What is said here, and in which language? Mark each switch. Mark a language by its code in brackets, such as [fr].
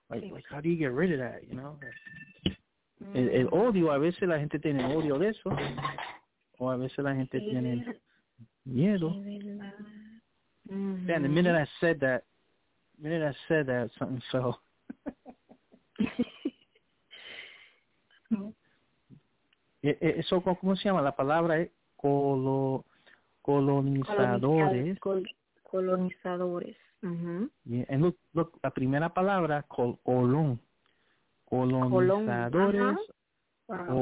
[en] Like, how do you get rid of that, you know? [es] El odio, a veces la gente tiene odio de eso. O a veces la gente tiene miedo. [en] Yeah, and the minute I said that, something fell. [es] Eso, ¿cómo se llama? La palabra es colonizadores. Colonizadores. [en] And look, [es] la primera palabra, colonizadores, Wow.